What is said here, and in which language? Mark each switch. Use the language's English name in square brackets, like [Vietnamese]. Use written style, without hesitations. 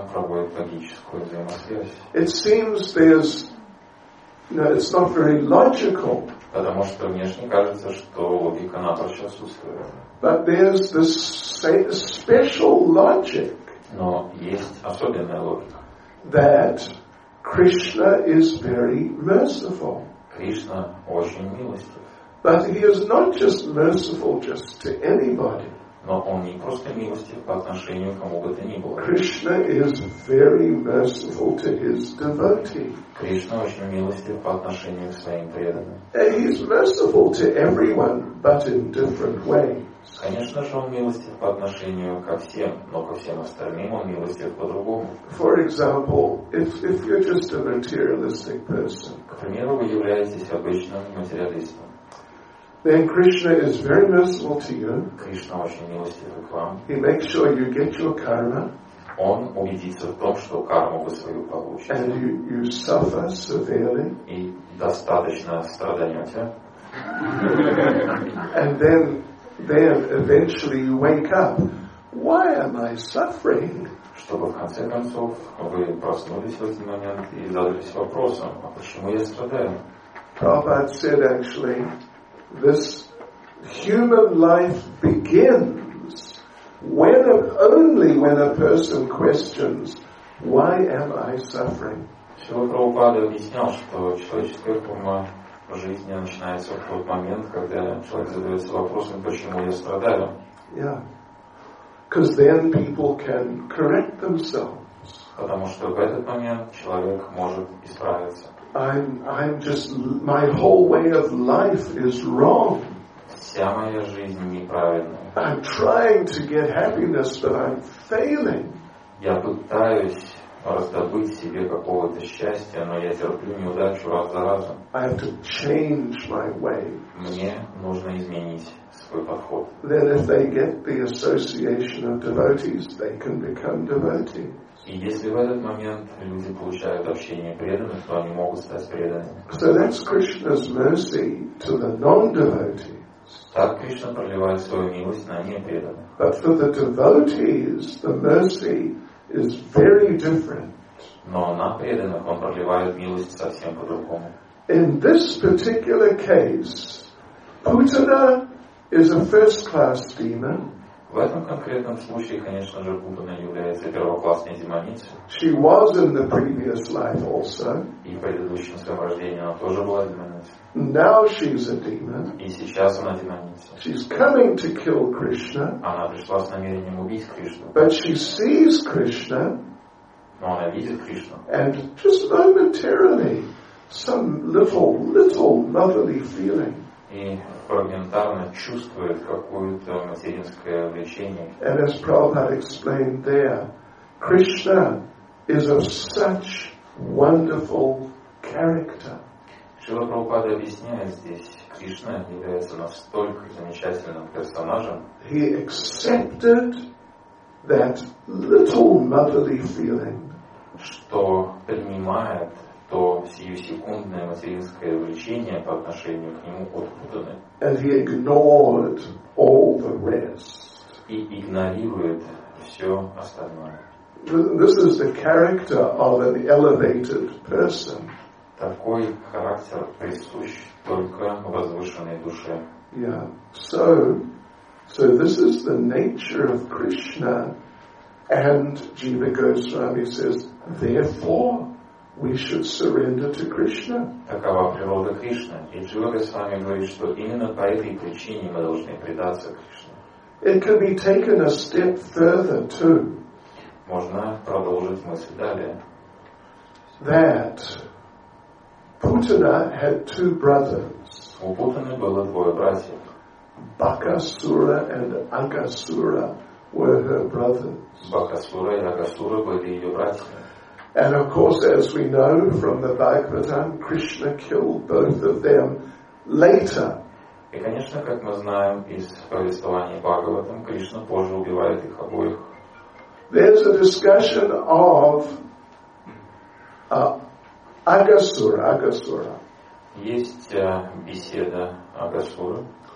[English] It seems there's no, it's not very logical. [Russian] Потому что внешне кажется, что логика напрочь отсутствует. [English] But there's this special logic. [Russian] Но есть особенная логика. [English] That Krishna is very merciful. [Russian] Кришна очень милостив. [English] But he is not just merciful just to anybody. [Russian] Но он не просто милостив по отношению к кому бы то ни было. [English] Krishna is very merciful to his devotee. [Russian] Кришна очень милостив по отношению к своим преданным. [English] And he is merciful to everyone, but in different ways. [Russian] Конечно же, он милостив по отношению ко всем, но ко всем остальным он милостив по-другому. [English] For example, if you're just a materialistic person. [Russian] К примеру, вы являетесь обычным материалистом. [English] Then Krishna is very merciful to you. [Russian] Кришна очень милостив к вам. [English] He makes sure you get your karma. [Russian] Он убедится в том, что карму вы свою получите. [English] And you suffer severely. [Russian] И достаточно страдаете. [English] And then eventually you wake up. Why am I suffering? [Russian] Чтобы в конце концов вы проснулись в этот момент и задались вопросом, а почему я страдаю? [English] Prabhupada said actually, this human life begins when only when a person questions, why am I suffering? [Russian] Шрила Прабхупада объяснял, что человеческая форма жизни начинается в тот момент, когда человек задается вопросом, почему я страдаю. [English] Yeah. Because then people can correct themselves. [Russian] Потому что в этот момент человек может исправиться. [English] I'm just, my whole way of life is wrong. [Russian] Вся моя жизнь неправильная. [English] I'm trying to get happiness, but I'm failing. [Russian] Я пытаюсь раздобыть себе какого-то счастья, но я терплю неудачу раз за разом. [English] I have to change my way. [Russian] Мне нужно изменить свой подход. [English] Then if they get the association of devotees, they can become devotees. [Russian] И если в этот момент люди получают общение преданных, то они могут стать преданными. [English] So that's Krishna's mercy to the non-devotees. [Russian] Так Кришна проливает свою милость на непреданных. [English] But for the devotees, the mercy is very different. [Russian] Но на преданных он проливает милость совсем по-другому. [English] In this particular case, Putana is a first-class demon. [Russian] В этом конкретном случае, конечно же, Путана является первоклассной демоницей. [English] She was in the previous life also. [Russian] И в предыдущем своем рождении она тоже была демоницей. [English] Now she's a demon. [Russian] И сейчас она демоница. [English] She's coming to kill Krishna. [Russian] Она пришла с намерением убить Кришну. [English] But she sees Krishna. [Russian] Но она видит Кришну. [English] And just momentarily, some little motherly feeling. [Russian] И фрагментарно чувствует какое-то материнское влечение. [English] And as Prabhupada explained there, Krishna is of such wonderful character. [Russian] Шрила Прабхупада объясняет здесь, Кришна является настолько замечательным персонажем. [English] He accepted that little motherly feeling. [Russian] Что принимает то сиюсекундное материнское влечение по отношению к нему от Путаны. [English] And he ignored all the rest. [Russian] И игнорирует все остальное. [English] This is the character of an elevated person. [Russian] Такой характер присущ только возвышенной душе. [English] Yeah. So this is the nature of Krishna. And Jiva Goswami says, therefore, we should surrender to Krishna. [Russian] Такова природа Кришны. И Джива Госвами говорит, что именно по этой причине мы должны предаться Кришне. [English] It can be taken a step further too. [Russian] Можно продолжить мысль далее. [English] That Putana had two brothers. [Russian] У Путаны было двое братьев. [English] Bakasura and Agasura were her brothers. [Russian] Bakasura и Agasura были ее братья. [English] And of course, as we know from the Bhagavatam, Krishna killed both of them later. [Russian] И, конечно, как мы знаем из повествования Бхагаватам, Кришна позже убивает их обоих. [English] There's a discussion of Агасура. [Russian] Есть беседа Агасура.